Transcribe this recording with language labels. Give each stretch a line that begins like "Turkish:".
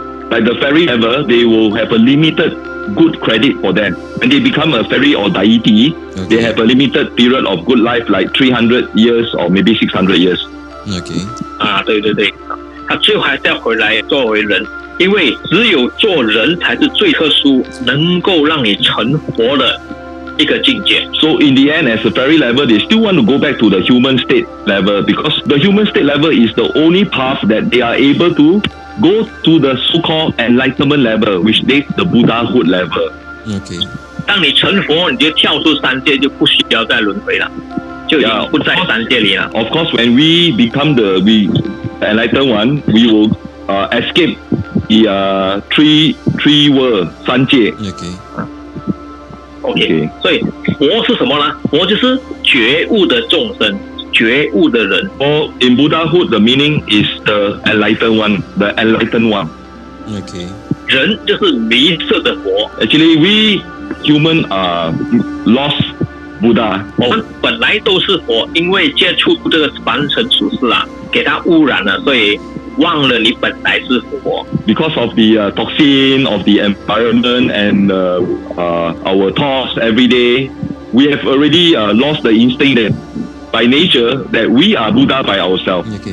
English: Like the fairy ever, they will have a limited good credit for them. When they become a fairy or deity, they have a limited period of good life, like 300 years or maybe 600 years. Okay.
Chinese: 啊，对对对，他最后还是要回来做回人，因为只有做人才是最特殊，能够让你成佛的。
English: So in the end, as a fairy level, they still want to go back to the human state level because the human state level is the only path that they are able to go to the so-called enlightenment level, which is the Buddhahood level. Okay.
Chinese: 当你成佛，你就跳出三界，就不需要再轮回了，就已经不在三界里了。
English: Yeah, of course, when we become the enlightened one, we will escape the three world 三界. Okay.
Chinese: Okay. 所以佛是什么呢？佛就是觉悟的众生，觉悟的人。
English: Or in Buddhahood, the meaning is the enlightened one, the enlightened one. Okay.
Chinese: 人就是迷失的佛。
English: Actually, we human are lost Buddha.
Chinese: 我们本来都是佛，因为接触这个凡尘俗世啊，给它污染了，所以忘了你本来是佛。
English: Because of the toxin of the environment and our thoughts every day, we have already lost the instinct that by nature that we are Buddha by ourselves.